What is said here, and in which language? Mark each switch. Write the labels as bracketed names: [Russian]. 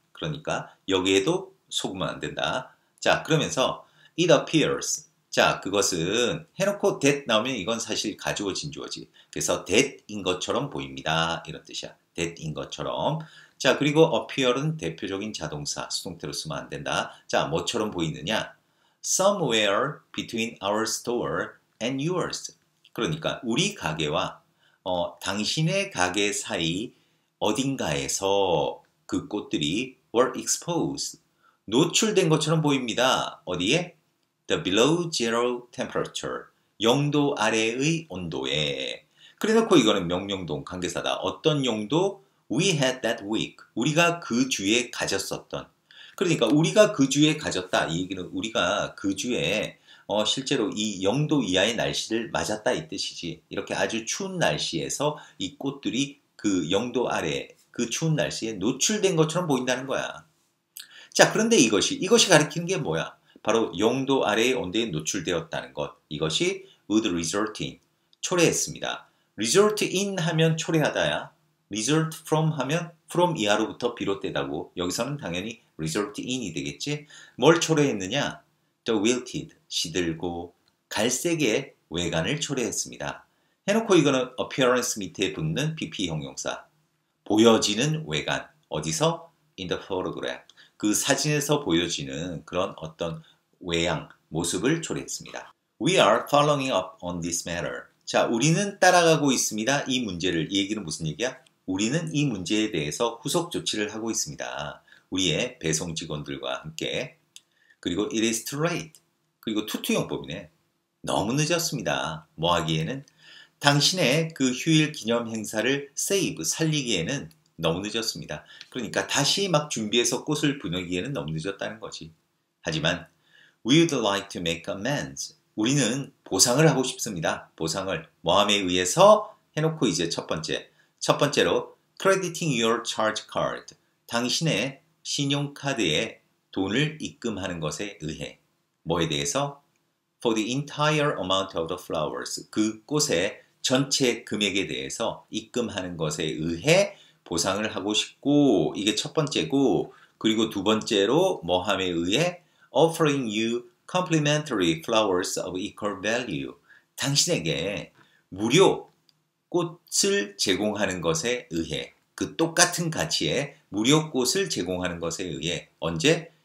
[Korean] 그러니까 여기에도 속으면 안 된다. 자, 그러면서 [English] it appears. [Korean] 자, 그것은 해놓고 that 나오면 이건 사실 가져오진 주어지. 그래서 that인 것처럼 보입니다. 이런 뜻이야. that인 것처럼. 자, 그리고 appear은 대표적인 자동사, 수동태로 쓰면 안 된다. 자, 뭐처럼 보이느냐? [English] Somewhere between our store and yours. [Korean] 그러니까 우리 가게와 당신의 가게 사이 어딘가에서 그 꽃들이 [English] were exposed. [Korean] 노출된 것처럼 보입니다. 어디에? [English] The below zero temperature. [Korean] 0도 아래의 온도에. 그래놓고 이거는 명령동, 관계사다. 어떤 용도? [English] We had that week. [Korean] 우리가 그 주에 가졌었던. 그러니까 우리가 그 주에 가졌다. 이 얘기는 우리가 그 주에 실제로 이 0도 이하의 날씨를 맞았다 이 뜻이지. 이렇게 아주 추운 날씨에서 이 꽃들이 그 0도 아래 그 추운 날씨에 노출된 것처럼 보인다는 거야. 자, 그런데 이것이 가리키는 게 뭐야? 바로 0도 아래의 온도에 노출되었다는 것. 이것이 [English] would result in [Korean] 초래했습니다. result in 하면 초래하다야. result from 하면 from 이하로부터 비롯되다고 여기서는 당연히 result in이 되겠지? 뭘 초래했느냐? [English] The wilted, [Korean] 시들고 갈색의 외관을 초래했습니다. 해놓고 이거는 appearance 밑에 붙는 PP 형용사. 보여지는 외관. 어디서? [English] In the photograph. [Korean] 그 사진에서 보여지는 그런 어떤 외양, 모습을 초래했습니다. [English] We are following up on this matter. [Korean] 자, 우리는 따라가고 있습니다. 이 문제를. 이 얘기는 무슨 얘기야? 우리는 이 문제에 대해서 후속 조치를 하고 있습니다. 우리의 배송 직원들과 함께. 그리고 [English] it is too late. [Korean] 그리고 투투용법이네. 너무 늦었습니다. 뭐 하기에는? 당신의 그 휴일 기념 행사를 save, 살리기에는 너무 늦었습니다. 그러니까 다시 막 준비해서 꽃을 보내기에는 너무 늦었다는 거지. 하지만 [English] we would like to make amends. [Korean] 우리는 보상을 하고 싶습니다. 보상을. 모함에 의해서 해놓고 이제 첫 번째. 첫 번째로, [English] crediting your charge card. [Korean] 당신의 신용카드에 돈을 입금하는 것에 의해. 뭐에 대해서? [English] for the entire amount of the flowers. [Korean] 그 꽃의 전체 금액에 대해서 입금하는 것에 의해 보상을 하고 싶고, 이게 첫 번째고, 그리고 두 번째로 뭐함에 의해 [English] offering you complimentary flowers of equal value. [Korean] 당신에게 무료 꽃을 제공하는 것에 의해, 그 똑같은 가치의 무료 꽃을 제공하는 것에 의해, 언제?